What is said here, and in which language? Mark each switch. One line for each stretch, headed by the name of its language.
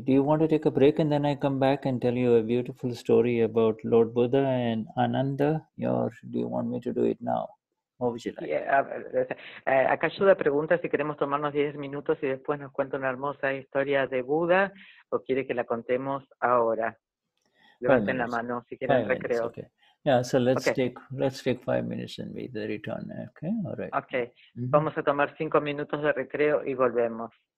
English: Do you want to take a break and then I come back and tell you a beautiful story about Lord Buddha and Ananda? Or do you want me to do it now? What would you like? Yeah,
Spanish: acá ayuda pregunta si queremos tomarnos 10 minutos y después nos cuenta una hermosa historia de Buda o quiere que la contemos ahora. Levanten la mano si quieren recreo.
English: Yeah, so let's take 5 minutes and meet the return. Okay, all right. Okay, mm-hmm.
Spanish: Vamos a tomar 5 minutos de recreo y volvemos.